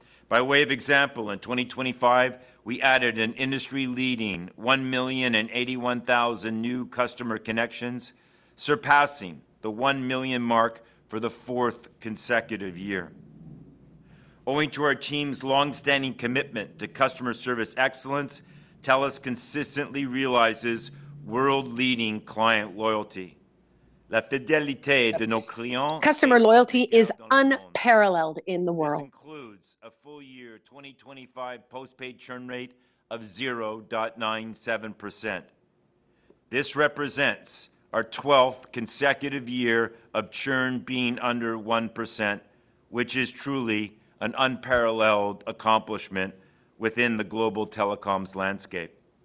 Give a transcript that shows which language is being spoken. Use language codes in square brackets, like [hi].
[en] By way of example, in 2025, we added an industry-leading 1,081,000 new customer connections, surpassing the 1 million mark for the fourth consecutive year. Owing to our team's longstanding commitment to customer service excellence, TELUS consistently realizes world-leading client loyalty. [fr] La fidélité de nos clients. [en] Customer loyalty is unparalleled in the world. This includes a full year 2025 postpaid churn rate of 0.97%. This represents our 12th consecutive year of churn being under 1%, which is truly an unparalleled accomplishment within the global telecoms landscape.